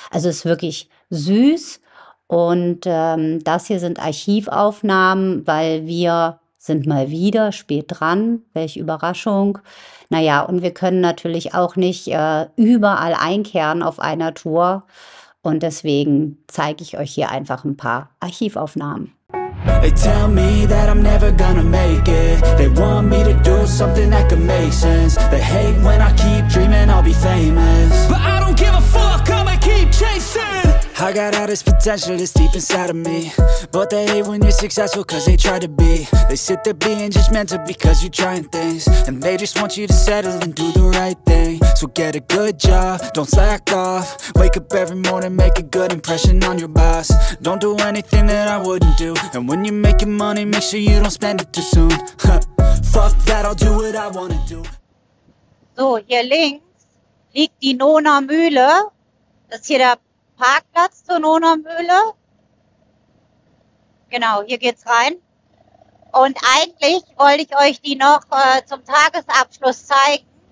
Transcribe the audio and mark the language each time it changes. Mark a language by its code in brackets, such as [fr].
[de] Also es ist wirklich süß. Und das hier sind Archivaufnahmen, weil wir sind mal wieder spät dran. Welche Überraschung. Naja, und wir können natürlich auch nicht überall einkehren auf einer Tour. Und deswegen zeige ich euch hier einfach ein paar Archivaufnahmen. [en] They tell me that I'm never gonna make it. They want me to do something that could make sense. They hate when I keep dreaming I'll be famous. But I don't give a fuck, I'ma keep chasing. I got all this potential that's deep inside of me. But they hate when you're successful cause they try to be. They sit there being judgmental because you're trying things. And they just want you to settle and do the right thing. So get a good job, don't slack off. Wake up every morning, make a good impression on your boss. Don't do anything that I wouldn't do. And when you're making money, make sure you don't spend it too soon. Fuck that, I'll do what I wanna do. [de] So, hier links liegt die Nona Mühle. Das ist hier der Parkplatz zur Nona Mühle. Genau, hier geht's rein. Und eigentlich wollte ich euch die noch zum Tagesabschluss zeigen.